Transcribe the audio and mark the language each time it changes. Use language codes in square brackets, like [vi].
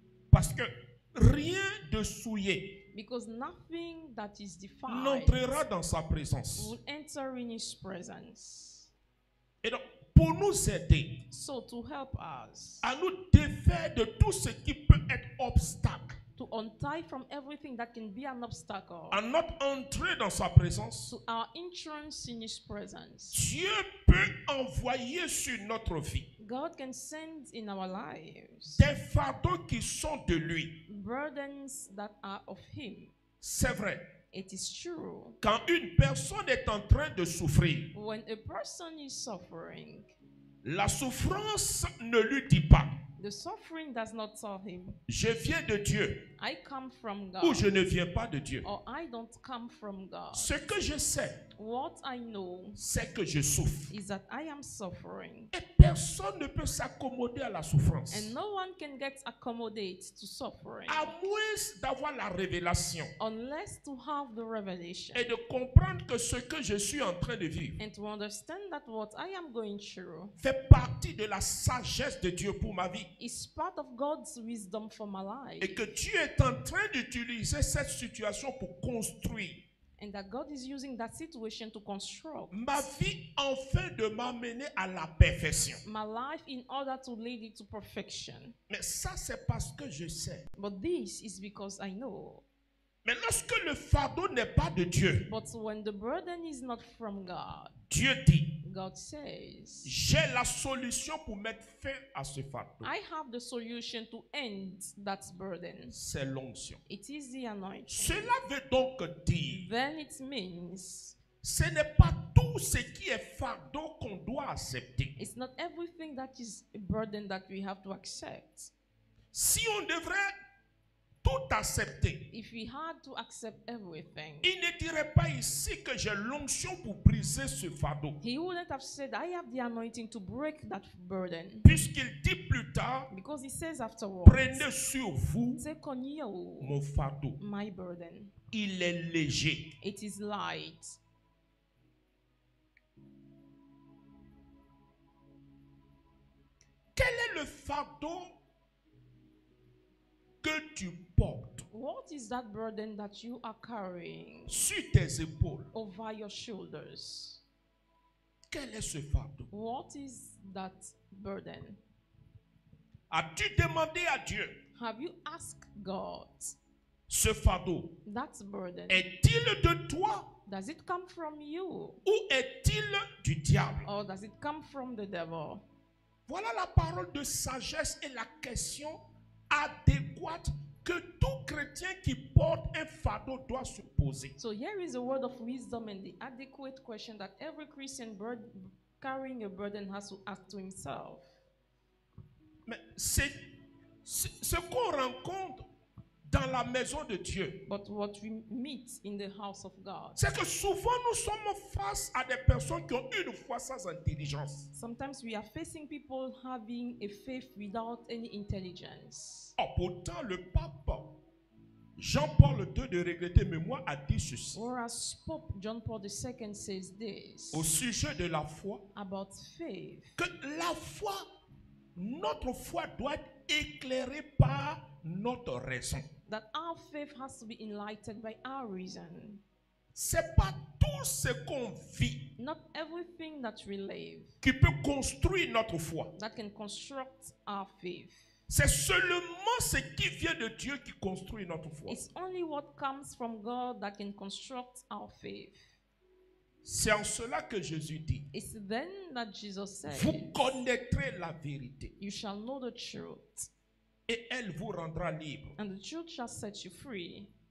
[fr] Parce que rien de souillé, [en] because nothing that is defiled, [fr] n'entrera dans sa présence, [en] will enter in his presence. [fr] Et donc, pour nous aider, [en] so to help us, [fr] à nous défaire de tout ce qui peut être obstacle, [en] to untie from everything that can be an obstacle, [fr] à notre entrée dans sa présence, [en] to our entrance in his presence, [fr] Dieu peut envoyer sur notre vie, [en] God can send in our lives, [fr] des fardeaux qui sont de lui, [en] burdens that are of him. [fr] C'est vrai. [en] It is true. [fr] Quand une personne est en train de souffrir, [en] when a person is suffering, [fr] la souffrance ne lui dit pas, [en] the suffering does not tell him, [fr] je viens de Dieu, [en] I come from God, [fr] ou je ne viens pas de Dieu, [en] or I don't come from God. [fr] Ce que je sais, [en] what I know, [fr] c'est que je souffre, [en] is that I am suffering. [fr] Et personne ne peut s'accommoder à la souffrance, [en] and no one can get accommodated to suffering, [fr] à moins d'avoir la révélation, [en] unless to have the revelation, [fr] et de comprendre que ce que je suis en train de vivre, [en] and to understand that what I am going through, [fr] fait partie de la sagesse de Dieu pour ma vie, [en] is part of God's wisdom for my life, [fr] et que Dieu est en train d'utiliser cette situation pour construire, [en] and that God is using that situation to construct, [fr] ma vie afin de m'amener à la perfection, [en] my life in order to lead it to perfection. [fr] Mais ça, c'est parce que je sais. [en] But this is because I know. [fr] Mais lorsque le fardeau n'est pas de Dieu, [en] but when the burden is not from God, [fr] Dieu dit, [en] God says, [fr] j'ai la solution pour mettre fin à ce fardeau. [en] I have the solution to end that burden. [fr] C'est l'onction. [en] It is the anointing. [fr] Cela veut donc dire, [en] then it means, [fr] ce n'est pas tout ce qui est fardeau qu'on doit accepter. [en] It's not everything that is a burden that we have to accept. [fr] Si on devrait tout accepter, [en] if we had to accept everything, [fr] il ne dirait pas ici que j'ai l'onction pour briser ce fardeau. [en] He wouldn't have said, I have the anointing to break that burden. [fr] Puisqu'il dit plus tard, [en] because he says afterwards, [fr] prenez sur vous, [en] take on you, [fr] mon fardeau, [en] my burden. [fr] Il est léger. [en] It is light. [fr] Quel est le fardeau que tu portes? [en] What is that burden that you are carrying? [fr] Sur tes épaules. [en] Over your shoulders. [fr] Quel est ce fardeau? [en] What is that burden? [fr] As-tu demandé à Dieu? [en] Have you asked God? [fr] Ce fardeau. [en] That burden. [fr] Est-il de toi? [en] Does it come from you? [fr] Ou est-il du diable? [en] Or does it come from the devil? [fr] Voilà la parole de sagesse et la question adéquate que tout chrétien qui porte un fardeau doit se poser. [en] So here is a word of wisdom and the adequate question that every Christian carrying a burden has to ask to himself. [fr] Mais c'est ce qu'on rencontre dans la maison de Dieu. [en] But what we meet in the house of God. [fr] C'est que souvent nous sommes face à des personnes qui ont une foi sans intelligence. [en] Sometimes we are facing people having a faith without any intelligence. [fr] Oh, pourtant le pape Jean-Paul II de regretter mais moi a dit ceci. [en] Whereas Pope John Paul II says this. [fr] Au sujet de la foi. [en] About faith. [fr] Que la foi, notre foi doit être éclairée par notre raison. [en] That our faith has to be enlightened by our reason. [fr] C'est pas tout ce qu'on vit. [en] Not everything that we live. [fr] Qui peut construire notre foi. [en] That can construct our faith. [fr] C'est seulement ce qui vient de Dieu qui construit notre foi. [en] It's only what comes from God that can construct our faith. [fr] C'est en cela que Jésus dit. [en] It's then that Jesus says. [fr] Vous connaîtrez la vérité. [en] You shall know the truth. [fr] Et elle vous rendra libre. [en] And the truth shall set you free.